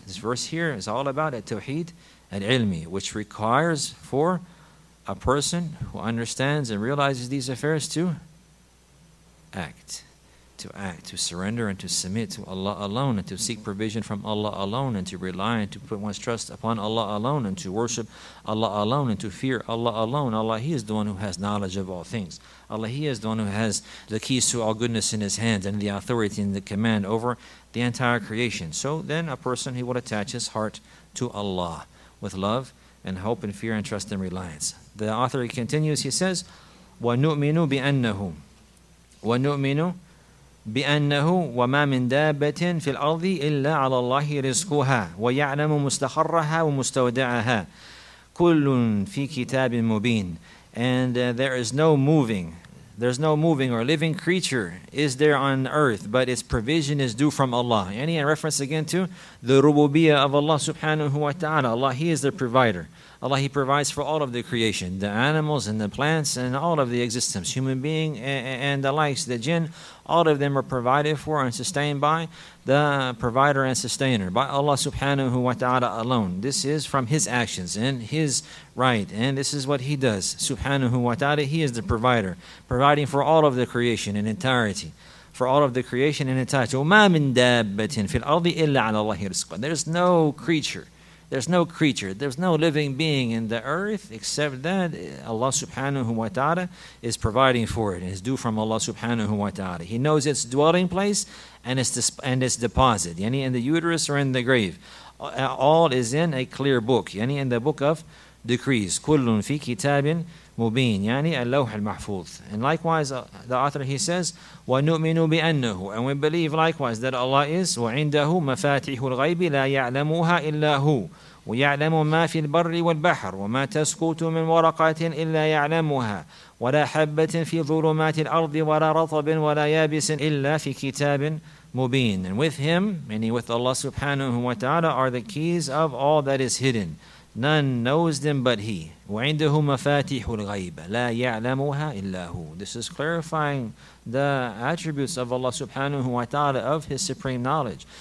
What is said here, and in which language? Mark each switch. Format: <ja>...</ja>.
<en>This verse here is all about at Tawheed al-Ilmi, which requires for a person who understands and realizes these affairs to act, to surrender and to submit to Allah alone, and to seek provision from Allah alone, and to rely and to put one's trust upon Allah alone, and to worship Allah alone, and to fear Allah alone. Allah, He is the one who has knowledge of all things. Allah, He is the one who has the keys to all goodness in His hands, and the authority and the command over the entire creation. So then a person, he will attach his heart to Allah with love and hope and fear and trust and reliance. The author, he continues, he says,</en> <ar>وَنُؤْمِنُ بِأَنَّهُ وَنُؤْمِنُ بِأَنَّهُ وَمَا مِنْ دَابَّةٍ فِي الْأَرْضِ إِلَّا عَلَى اللَّهِ رِزْقُهَا وَيَعْلَمُ مُسْتَخَرَّهَا وَمُسْتَوْدَعَهَا كُلٌّ فِي كِتَابٍ مُبِينٍ.</ar> <en>And there is no moving, There's no moving or living creature is there on earth, but its provision is due from Allah. Any reference again to the rububiyyah of Allah subhanahu wa ta'ala. Allah, He is the provider. Allah, He provides for all of the creation, the animals and the plants and all of the existence, human being and the likes, the jinn, all of them are provided for and sustained by the provider and sustainer, by Allah subhanahu wa ta'ala alone. This is from His actions and His right, and this is what He does. Subhanahu wa ta'ala, He is the provider, providing for all of the creation in entirety. For all of the creation in entirety.</en> <ar>وَمَا مِن دَابَّةٍ فِي الْأَرْضِ إِلَّا عَلَى اللَّهِ رِزْقٌ.</ar> <en>There's no creature. There's no creature, there's no living being in the earth except that Allah subhanahu wa ta'ala is providing for it. It's due from Allah subhanahu wa ta'ala. He knows its dwelling place and its deposit, yani in the uterus or in the grave. All is in a clear book, yani in the book of decrees.</en> <ar>كُلٌّ فِي كِتَابٍ مُبِينٍ يعني اللوح المحفوظ.</ar> <en>And likewise, the author, he says,</en> <ar>وَنُؤْمِنُ بِأَنَّهُ.</ar> <en>And we believe likewise that Allah is,</en> <ar>وَعِنْدَهُ مَفَاتِحُ الْغَيْبِ لَا يَعْلَمُهَا إِلَّا هُوَ وَيَعْلَمُ مَا فِي الْبَرِّ وَالْبَحْرِ وَمَا تَسْكُتُ مِنْ وَرَقَةٍ إِلَّا يَعْلَمُهَا وَلَا حَبَّةٍ فِي ظُلُمَاتِ الْأَرْضِ وَلَا رَطَبٍ وَلَا يَابِسٍ إِلَّا فِي كِتَابٍ مُبِينٍ.</ar> <en>And with Him, meaning with Allah subhanahu wa ta'ala, are the keys of all that is hidden. None knows them but He.</en> <ar>وَعِنْدَهُ مَفَاتِحُ الْغَيْبَ لَا يَعْلَمُهَا إِلَّا هُ.</ar> <en>This is clarifying the attributes of Allah subhanahu wa ta'ala, of His supreme knowledge.</en>